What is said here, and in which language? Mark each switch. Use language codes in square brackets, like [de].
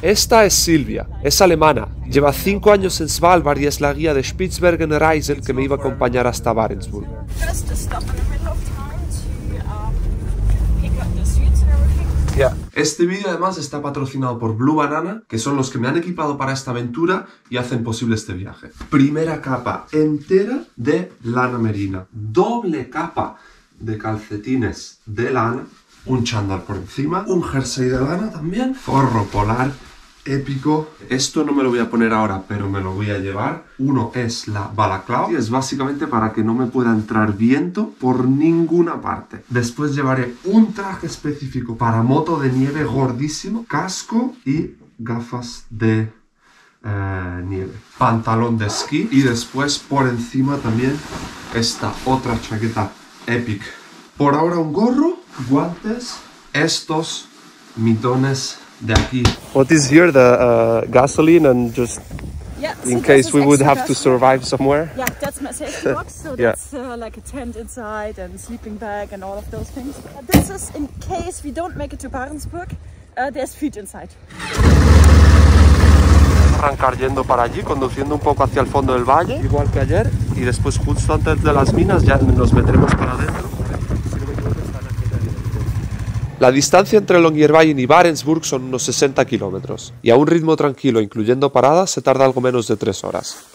[es] Esta es Silvia, es alemana. Lleva 5 años en Svalbard y es la guía de Spitsbergen Reisen que me iba a acompañar hasta Barentsburg. [en] Just to stop in the middle of town to pick up the suits and everything. Yeah. [es] Este vídeo además está patrocinado por Blue Banana, que son los que me han equipado para esta aventura y hacen posible este viaje. Primera capa entera de lana merina, doble capa de calcetines de lana, un chándal por encima, un jersey de lana también, forro polar épico. Esto no me lo voy a poner ahora, pero me lo voy a llevar. Uno es la balaclava, y es básicamente para que no me pueda entrar viento por ninguna parte. Después llevaré un traje específico para moto de nieve gordísimo, casco y gafas de nieve. Pantalón de esquí, y después por encima también esta otra chaqueta épica. Por ahora un gorro, guantes, estos mitones de aquí. [en] What is here, the gasoline and just in so case we would have to survive somewhere? Yeah, that's my safety box, so that's like a tent inside and sleeping bag and all of those things. This is in case we don't make it to Barentsburg, there's food inside. [es] Arrancar yendo para allí, conduciendo un poco hacia el fondo del valle, igual que ayer, y después justo antes de las minas ya nos metremos para adentro. La distancia entre Longyearbyen y Barentsburg son unos 60 kilómetros. Y a un ritmo tranquilo, incluyendo paradas, se tarda algo menos de 3 horas.